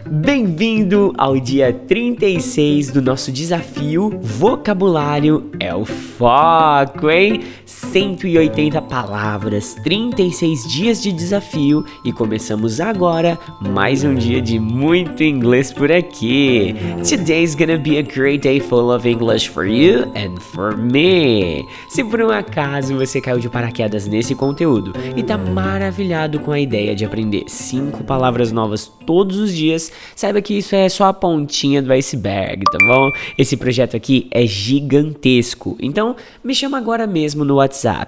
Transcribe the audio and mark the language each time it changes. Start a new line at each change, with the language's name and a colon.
Portuguese: Bem-vindo ao dia 36 do nosso desafio Vocabulário é o Foco, hein? 180 palavras, 36 dias de desafio e começamos agora mais um dia de muito inglês por aqui.
English: Today's gonna be a great day full of English for you and for me.
Portuguese: Se por um acaso você caiu de paraquedas nesse conteúdo e tá maravilhado com a ideia de aprender 5 palavras novas todos os dias, saiba que isso é só a pontinha do iceberg, tá bom? Esse projeto aqui é gigantesco. Então, me chama agora mesmo no WhatsApp.